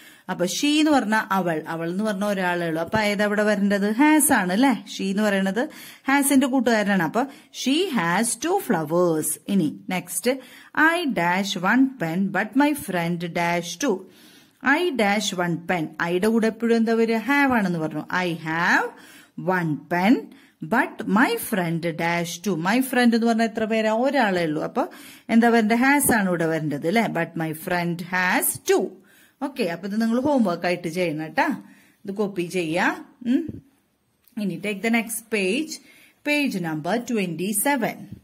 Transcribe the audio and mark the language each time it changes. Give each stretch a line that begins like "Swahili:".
Malayalam: അപ്പൊ ഷീ എന്ന് പറഞ്ഞ അവൾ, അവൾ എന്ന് പറഞ്ഞ ഒരാളേ ഉള്ളൂ. അപ്പൊ ഏതാ ഇവിടെ വരേണ്ടത്? ഹാസ് ആണ് അല്ലെ. ഷീ എന്ന് പറയുന്നത് ഹാസിന്റെ കൂട്ടുകാരനാണ്. അപ്പൊ
English: She has two flowers.
Malayalam: ഇനി
English: Next, I dash one pen but my friend dash two.
Malayalam: I dash one pen, ഐയുടെ കൂടെ എപ്പോഴും എന്താ വരിക? ഹാവ് ആണെന്ന് പറഞ്ഞു.
English: I have one pen, but my friend dash two. My friend
Malayalam: എന്ന് പറഞ്ഞാൽ എത്ര പേരാ? ഒരാളേ ഉള്ളൂ. അപ്പൊ എന്താ വരേണ്ടത്? ഹാസ് ആണ് ഇവിടെ വരേണ്ടത് അല്ലെ.
English: But my friend has two.
Malayalam: Okay, അപ്പൊ ഇത് നിങ്ങൾ ഹോംവർക്ക് ആയിട്ട് ചെയ്യണം കേട്ടാ. ഇത് കോപ്പി ചെയ്യാ. ഇനി
English: Take the next page, page number 27.